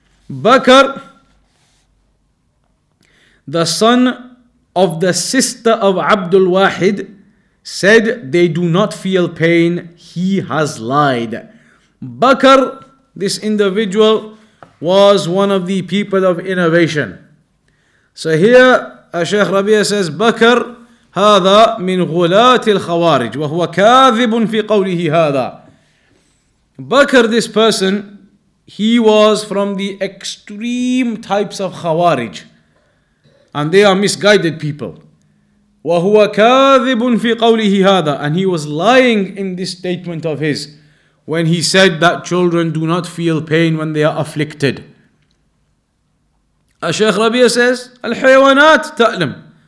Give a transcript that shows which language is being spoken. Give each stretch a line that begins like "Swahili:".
English: Bakr, the son of the sister of Abdul Wahid, said they do not feel pain. He has lied. Bakr, this individual, was one of the people of innovation. So here, Shaykh Rabee says, Bakr,
Arabic: هذا من غلات الخوارج وهو كاذب في قوله هذا.
English: Bakr, this person, he was from the extreme types of khawarij. And they are misguided people.
Arabic: وَهُوَ كَاذِبٌ فِي قَوْلِهِ هَذَا.
English: And he was lying in this statement of his when he said that children do not feel pain when they are afflicted. Shaykh Rabia says,
Arabic: الحيوانات تألم.